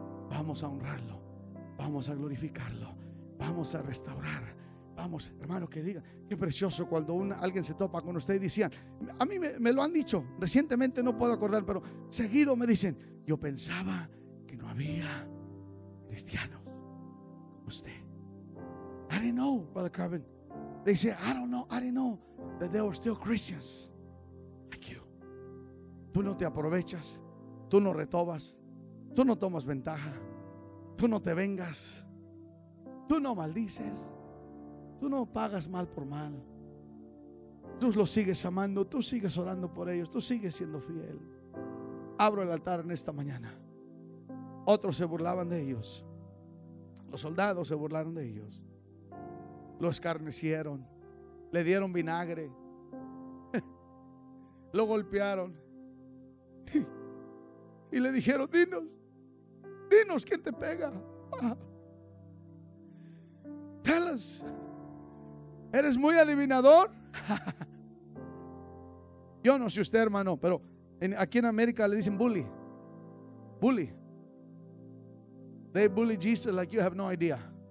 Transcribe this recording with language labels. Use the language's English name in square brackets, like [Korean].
[Spanish] Vamos a honrarlo, vamos a glorificarlo, vamos a restaurar. Vamos, hermano, que diga, qué precioso cuando alguien se topa con usted y decía, a mí me lo han dicho recientemente, no puedo acordar, pero seguido me dicen, yo pensaba que no había cristianos como usted. [English] I didn't know, Brother Carvin. They say, I didn't know that there were still Christians like you. [Spanish] Tú no te aprovechas, tú no retobas, tú no tomas ventaja, tú no te vengas, tú no maldices, tú no pagas mal por mal. Tú los sigues amando, tú sigues orando por ellos, tú sigues siendo fiel. Abro el altar en esta mañana. Otros se burlaban de ellos. Los soldados se burlaron de ellos. Lo escarnecieron, le dieron vinagre, lo golpearon y le dijeron, dinos quién te pega. [English] Tell us, [Spanish] eres muy adivinador. Yo no sé usted, hermano, pero aquí en América le dicen bully. [English] They bully Jesus like you have no idea.